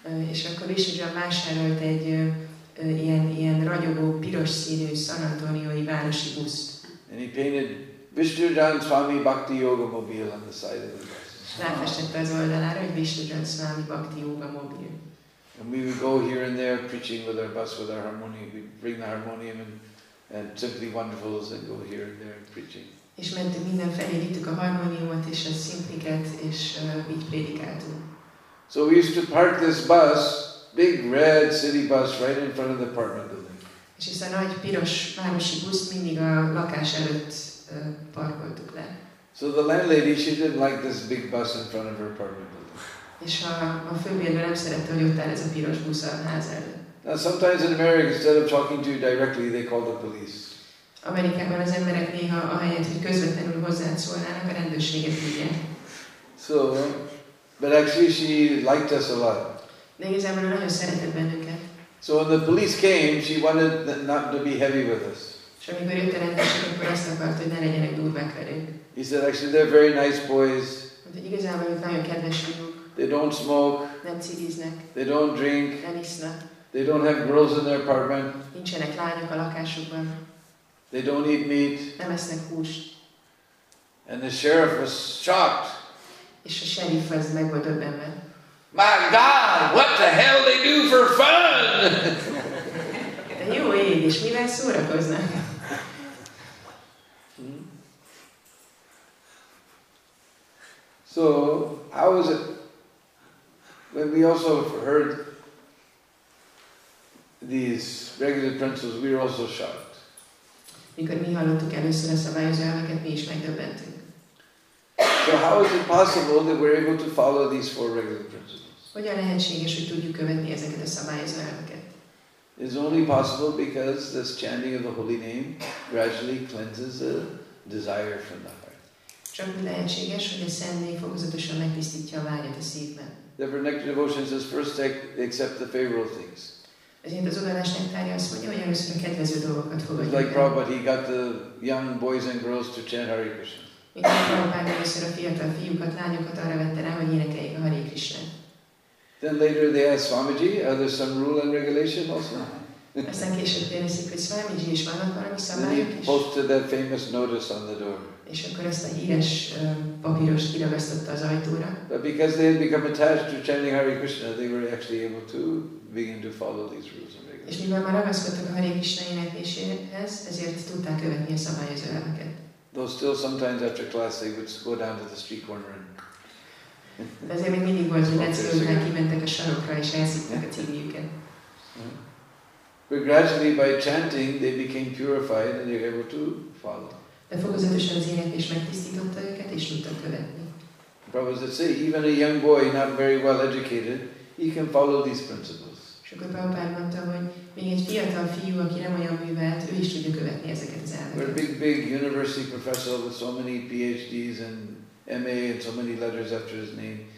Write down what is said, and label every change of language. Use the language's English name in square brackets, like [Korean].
[Hungarian] És akkor Vishnu Dhan vásárolt egy ilyen ragyogó piros színű San Antoniói városi buszt. [English] And he painted Vishnu Dhan Swami Bhakti Yoga Mobile on the side of the bus. [Hungarian] Ráfestette az oldalára, hogy Vishnu Dhan Swami Bhakti Yoga Mobile. [English] And we would go here and there preaching with our bus, with our harmonium. We'd bring the harmonium and Simply Wonderfuls and go here and there preaching. [Hungarian] És mentünk mindenfelé, vittük a harmoniumot és a szimpliket, és így prédikáltunk. [English] So we used to park this bus, big red city bus, right in front of the apartment building. [Hungarian] És ez a nagy piros városi busz mindig a lakás előtt parkoltuk le. [English] So the landlady, she didn't like this big bus in front of her apartment building. [Hungarian] És a főbérlő nem szerette, hogy ott áll ez a piros busz a ház előtt. [English] Now sometimes in America, instead of talking to you directly, they call the police. [Hungarian] Amerikában az emberek néha ahelyett, hogy közvetlenül hozzád szólnának, a rendőrséget hívják. [English] So, but actually she liked us a lot. [Hungarian] De igazából nagyon szeretett bennünket. [English] So when the police came, she wanted not to be heavy with us. [Hungarian] És amikor jött a rendőrség, akkor azt akart, hogy ne legyenek durvák velünk. [English] He said, actually they're very nice boys. [Hungarian] De igazából ők nagyon kedves fiúk. [English] They don't smoke. [Hungarian] Nem cigiznek. [English] They don't drink. [Hungarian] Nem isznak. [English] They don't have girls in their apartment. [Hungarian] Nincsenek lányok a lakásukban. [English] They don't eat meat. [Hungarian] Nem esznek húst. [English] And the sheriff was shocked. [Hungarian] És a sheriff az meg volt döbbenve. [English] My God, what the hell they do for fun? [Hungarian] De jó ég, és mivel szórakoznak? [English] So, how was it? When we also heard these regular principles, we were also shocked. [Hungarian] Mikor mi hallottuk először a szabályozó elveket, mi is megdöbbentünk. [English] So how is it possible that we're able to follow these four regular principles? [Hungarian] Hogyan lehetséges, hogy tudjuk követni ezeket a szabályozó elveket? [English] It's only possible because this chanting of the holy name gradually cleanses the desire from the heart. [Hungarian] Csak úgy lehetséges, hogy a szent név fokozatosan megtisztítja a vágyat a szívben. [English] The vernacular devotion says first accept the favorable things. [Hungarian] Ezért az odaadás nektárja azt mondja, hogy először a kedvező dolgokat fogadjuk. [English] Like Prabhupada, he got the young boys and girls to chant Hare Krishna. [Hungarian] Mint a Prabhupada először a fiatal fiúkat, lányokat arra vette rá, hogy énekeljék a Hare Krishna. [English] Then later they ask Swamiji, are there some rule and regulation also? [Hungarian] Aztán később kérdezik, hogy Swamiji is vannak valami szabályok is? [English] Then he posted that famous notice on the door. [Hungarian] És akkor ezt a híres papírost kiragasztotta az ajtóra. [English] But because they had become attached to chanting Hare Krishna, they were actually able to begin to follow these rules and regulations. [Hungarian] És mivel már ragaszkodtak a Hare Krishna énekléséhez, ezért tudták követni a szabályozóelveket. [English] Though still sometimes after class they would go down to the street corner and [Hungarian] de azért még mindig volt, hogy egyszerűen kimentek a sarokra és elszívták a cigiüket. [English] But gradually by chanting they became purified and they were able to follow. [Hungarian] De fokozatosan az éneklés megtisztította őket és tudtak követni. [English] Prabhupada would say, even a young boy not very well educated, he can follow these principles. [Hungarian] És akkor Prabhupada mondta, hogy még egy fiatal fiú, aki nem olyan művelt, ő is tudja követni ezeket az elveket. [English] We're a big university professor with so many PhDs and MA and so many letters after his name.